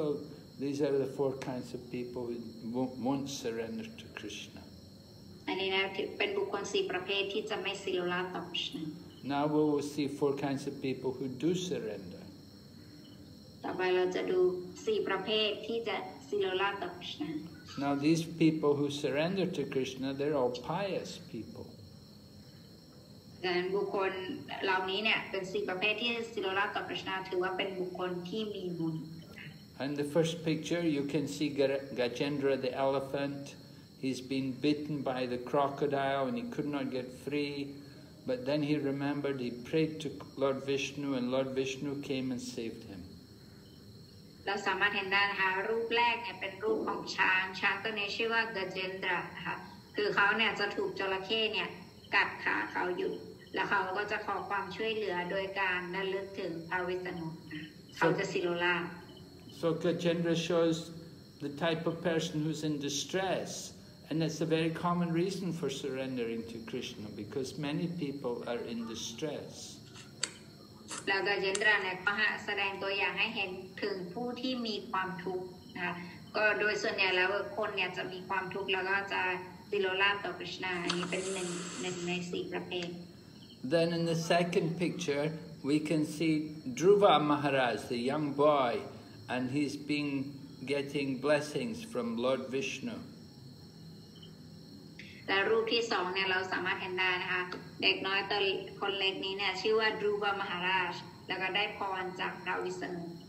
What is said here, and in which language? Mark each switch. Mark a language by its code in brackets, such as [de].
[en] So these are the four kinds of people who won't surrender to Krishna. [th] อันนี้นะเป็นบุคคลสี่ประเภทที่จะไม่สิโลลาต่อพระเจ้า [en] Now we will see four kinds of people who do surrender. [th] ต่อไปเราจะดูสี่ประเภทที่จะสิโลลาต่อพระเจ้า [en] Now these people who surrender to Krishna, they're all pious people. [th] ดังนั้นบุคคลเหล่านี้เนี่ยเป็นสี่ประเภทที่สิโลลาต่อพระเจ้าถือว่าเป็นบุคคลที่มีบุญ [en] And the first picture you can see Gajendra the elephant he's been bitten by the crocodile and he could not get free but then he remembered he prayed to Lord Vishnu and Lord Vishnu came and saved him [th] เราสามารถเห็นได้นะคะรูปแรกเนี่ยเป็นรูปของช้างช้างตัวนี้ชื่อว่า Gajendra นะคะคือเขาเนี่ยจะถูกจระเข้เนี่ยกัดขาเขาอยู่แล้วเขาก็จะขอความช่วยเหลือโดยการนั่นเลือกถึงพระวิษณุเขาจะสิโลลา [en] So Gajendra shows the type of person who's in distress and that's a very common reason for surrendering to Krishna because many people are in distress [th] แล้ว Gajendra เนี่ยก็แสดงตัวอย่างให้เห็นถึงผู้ที่มีความทุกข์นะก็โดยส่วนใหญ่แล้วคนเนี่ยจะมีความทุกข์แล้วก็จะสิโลลาต่อพระเจ้าอันนี้เป็นหนึ่งในสี่ประเภท [en] Then in the second picture, we can see Dhruva Maharaj, the young boy, and he's been getting blessings from Lord Vishnu. The group [th] ที่สองเนี่ยเราสามารถเห็นได้นะคะเด็กน้อยตัวคนเล็กนี้เนี่ยชื่อว่าDhruva Maharaj แล้วก็ได้พรจากพระวิษณุ